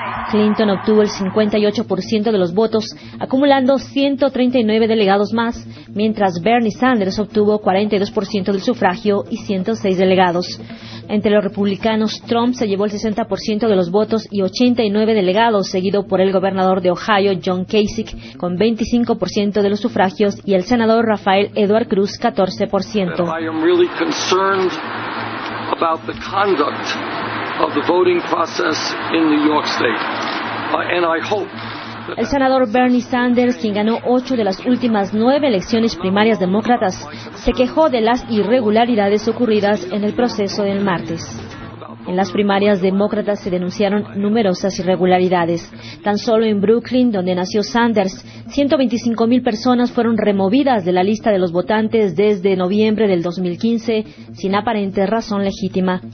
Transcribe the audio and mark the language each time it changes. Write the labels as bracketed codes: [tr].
[es] Clinton obtuvo el 58% de los votos, acumulando 139 delegados más, mientras Bernie Sanders obtuvo 42% del sufragio y 106 delegados. Entre los republicanos, Trump se llevó el 60% de los votos y 89 delegados, seguido por el gobernador de Ohio, John Kasich, con 25% de los sufragios, y el senador Rafael Edward Cruz, 14%. [en] I am really concerned about the conduct of the voting process in New York State, and I hope. [es] El senador Bernie Sanders, quien ganó 8 de las últimas 9 elecciones primarias demócratas, se quejó de las irregularidades ocurridas en el proceso del martes. En las primarias demócratas se denunciaron numerosas irregularidades. Tan solo en Brooklyn, donde nació Sanders, 125.000 personas fueron removidas de la lista de los votantes desde noviembre del 2015, sin aparente razón legítima.